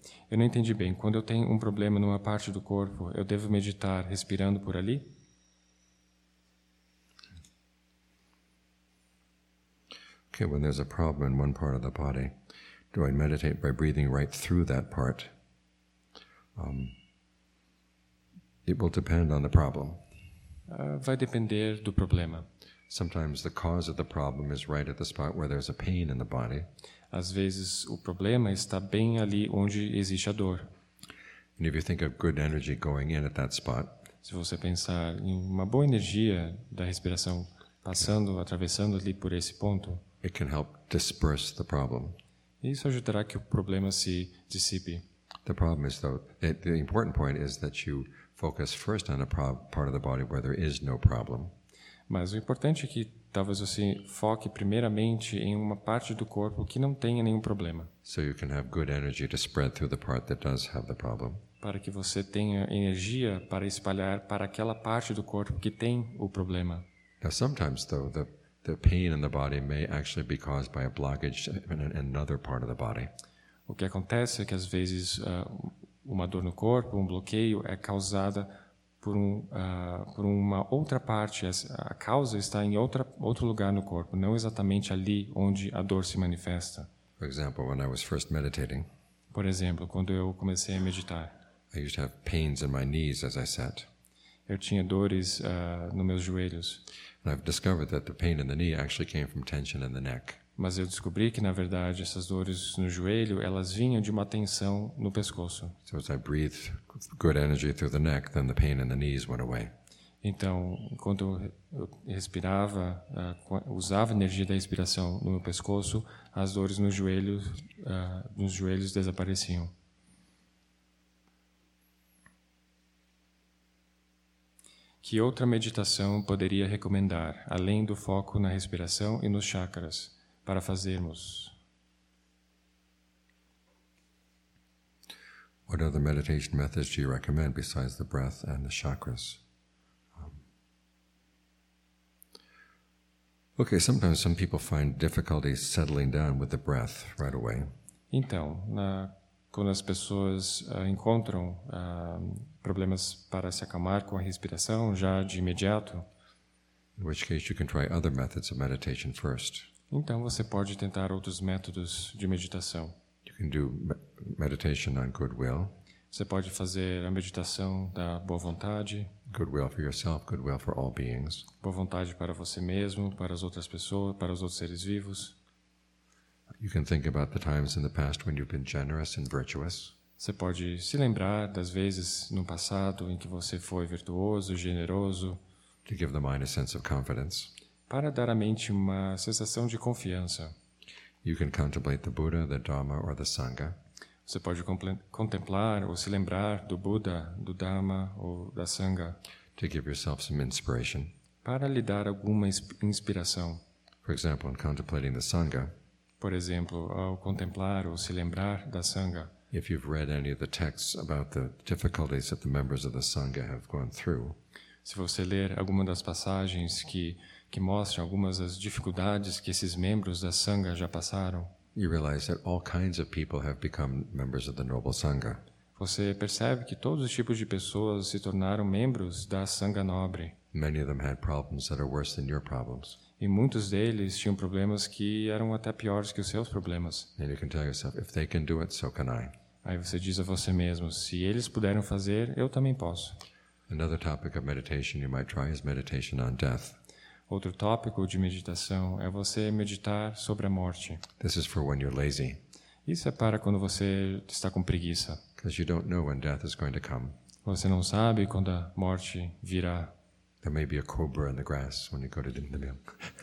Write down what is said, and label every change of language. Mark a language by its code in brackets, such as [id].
[pt] Eu não entendi bem. Quando eu tenho um problema numa parte do corpo, eu devo meditar respirando por ali? [en] Okay, when there's a problem in one part of the body, do I meditate by breathing right through that part? It will depend on the problem. [pt] vai depender do problema. [en] Sometimes the cause of the problem is right at the spot where there's a pain in the body. [pt] Às vezes o problema está bem ali onde existe a dor. [en] And if you think of good energy going in at that spot, [pt] se você pensar em uma boa energia da respiração passando, yes, atravessando ali por esse ponto, [en] it can help disperse the problem. [pt] Isso ajudará que o problema se dissipe. [en] The problem is though, the important point is that you focus first on a part of the body where there is no problem. [pt] Mas o importante é que talvez você foque primeiramente em uma parte do corpo que não tenha nenhum problema. [en] So you can have good energy to spread through the part that does have the problem. [pt] Para que você tenha energia para espalhar para aquela parte do corpo que tem o problema. [en] Now sometimes though the pain in the body may actually be caused by a blockage in another part of the body. [pt] O que acontece é que às vezes uma dor no corpo, um bloqueio é causada por uma outra parte. A causa está em outro lugar no corpo, não exatamente ali onde a dor se manifesta. [en] For example, when I was first meditating, [pt] por exemplo, quando eu comecei a meditar, [en] I used to have pains in my knees as I sat. [pt] Eu tinha dores nos meus joelhos. [en] And I've discovered that the pain in the knee actually came from tension in the neck. [pt] Mas eu descobri que, na verdade, essas dores no joelho, elas vinham de uma tensão no pescoço. [en] So as I breathed good energy through the neck, then the pain in the knees went away. [pt] Então, enquanto eu respirava, usava energia da respiração no meu pescoço, as dores nos joelhos desapareciam. Que outra meditação poderia recomendar, além do foco na respiração e nos chakras, para fazermos? [en] What other meditation methods do you recommend besides the breath and the chakras? Okay, sometimes some people find difficulty settling down with the breath right away. [pt] Então, quando as pessoas encontram problemas para se acalmar com a respiração já de imediato, [en] in which case you can try other methods of meditation first. [pt] Então você pode tentar outros métodos de meditação. [en] You can do meditation on goodwill. [pt] Você pode fazer a meditação da boa vontade. [en] Goodwill for yourself, goodwill for all beings. [pt] Boa vontade para você mesmo, para as outras pessoas, para os outros seres vivos. [en] You can think about the times in the past when you've been generous and virtuous. [pt] Você pode se lembrar das vezes no passado em que você foi virtuoso, generoso. [en] To give the mind a sense of confidence. [pt] Para dar à mente uma sensação de confiança. [en] You can contemplate the Buddha, the Dhamma, or the Sangha. [pt] Você pode contemplar ou se lembrar do Buda, do Dhamma ou da Sangha. [en] To give yourself some inspiration. [pt] Para lhe dar alguma inspiração. [en] For example, in contemplating the Sangha. [pt] Por exemplo, ao contemplar ou se lembrar da Sangha. [en] If you've read any of the texts about the difficulties that the members of the Sangha have gone through. [pt] Se você ler alguma das passagens que mostram algumas das dificuldades que esses membros da Sangha já passaram. [en] You realize that all kinds of people have become members of the Noble Sangha. [pt] Você percebe que todos os tipos de pessoas se tornaram membros da Sangha Nobre. [en] Many of them had problems that are worse than your problems. [pt] E muitos deles tinham problemas que eram até piores que os seus problemas. [en] And you can tell yourself, if they can do it, so can I. [pt] Aí você diz a você mesmo, se eles puderam fazer, eu também posso. [en] Another topic of meditation you might try is meditation on death. [pt] Outro tópico de meditação é você meditar sobre a morte. [en] This is for when you're lazy. [pt] Isso é para quando você está com preguiça. [en] Because you don't know when death is going to come. [pt] Você não sabe quando a morte virá. [en] There may be a cobra in the grass when you go to drink the milk.